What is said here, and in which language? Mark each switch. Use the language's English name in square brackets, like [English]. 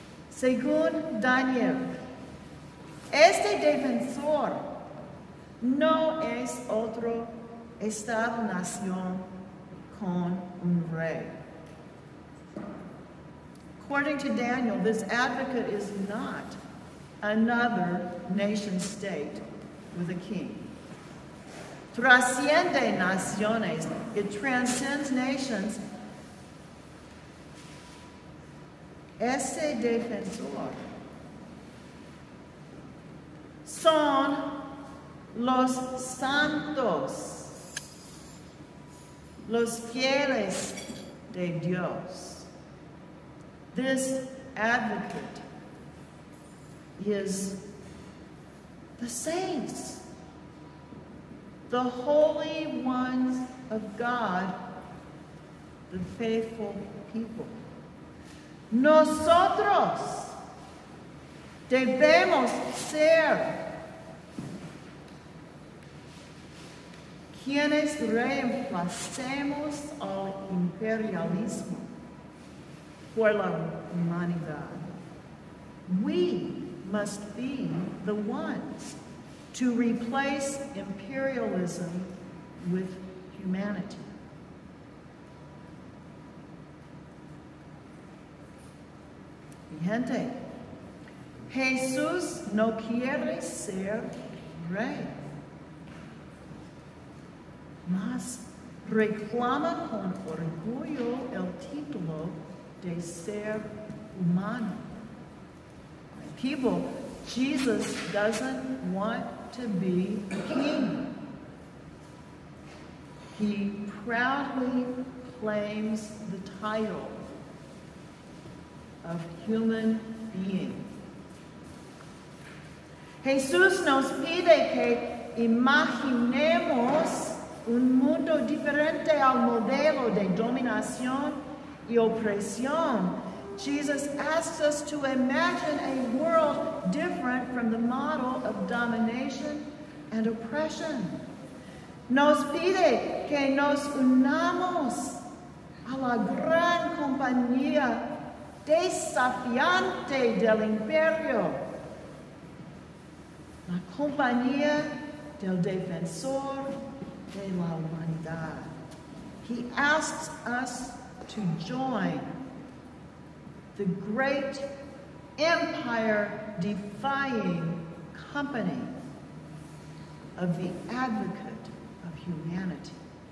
[Spanish] Según Daniel, este defensor no es otro estado nación con un rey. [English] According to Daniel, this advocate is not another nation state with a king. [Spanish] Trasciende naciones, [English] it transcends nations. [Spanish] Ese defensor son los santos, los fieles de Dios. [English] This advocate is the saints, the holy ones of God, the faithful people. [Spanish] Nosotros debemos ser quienes reemplacemos al imperialismo por la humanidad. [English] We must be the ones to replace imperialism with humanity. [Spanish] Gente, Jesús no quiere ser rey, mas reclama con orgullo el título de ser humano. [English] People, Jesus doesn't want to be a king. He proudly claims the title of human being. [Spanish] Jesús nos pide que imaginemos un mundo diferente al modelo de dominación y opresión. [English] Jesus asks us to imagine a world different from the model of domination and oppression. [Spanish] Nos pide que nos unamos a la gran compañía desafiante del imperio, la compañía del defensor de la humanidad. [English] He asks us to join the great empire-defying company of the advocate of humanity.